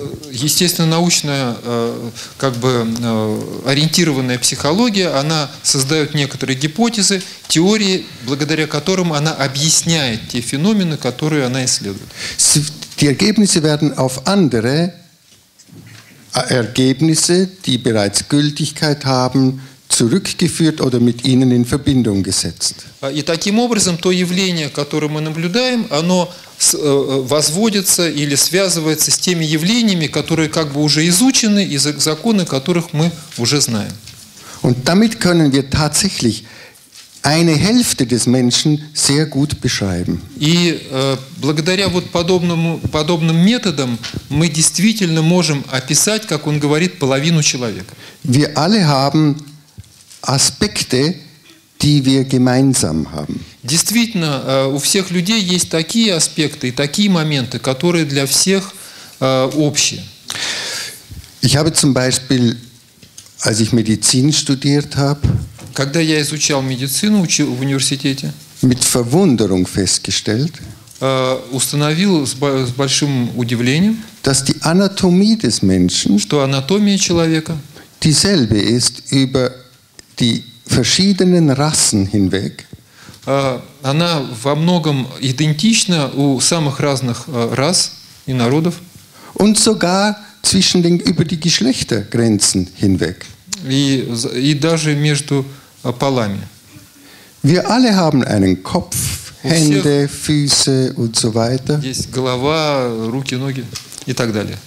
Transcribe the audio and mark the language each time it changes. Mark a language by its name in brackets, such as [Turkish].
[Russian] Естественно, научная, как бы, ориентированная психология, она создает некоторые гипотезы, теории, благодаря которым она объясняет те феномены, которые она исследует. [German] Die Ergebnisse werden auf andere Ergebnisse, die bereits Gültigkeit haben, zurückgeführt oder mit ihnen in Verbindung gesetzt. [Russian] И таким образом то явление, которое мы наблюдаем, оно возводится или связывается с теми явлениями, которые как бы уже изучены, и законы которых мы уже знаем. [German] Und damit können wir tatsächlich eine Hälfte des Menschen sehr gut beschreiben. [Russian] И благодаря вот подобным методам мы действительно можем описать, как он говорит, половину человека. [German] Wir alle haben Aspekte, die wir gemeinsam haben. [Russian] Действительно, у всех людей есть такие аспекты и такие моменты, которые для всех общие. [German] Ich habe zum Beispiel, als ich Medizin studiert habe, [Russian] когда я изучал медицину в университете, [German] mit Verwunderung festgestellt, [Russian] установил с большим удивлением, [German] dass die Anatomie des Menschen, [Russian] что анатомия человека, [German] dieselbe ist über die verschiedenen Rassen hinweg. [Russian] Она во многом идентична у самых разных рас и народов. [German] Und sogar zwischen den über die Geschlechtergrenzen hinweg. [Russian] И даже между полами. [German] Wir alle haben einen Kopf, Hände, Füße und so weiter. [Russian] Есть голова, руки, ноги и так далее.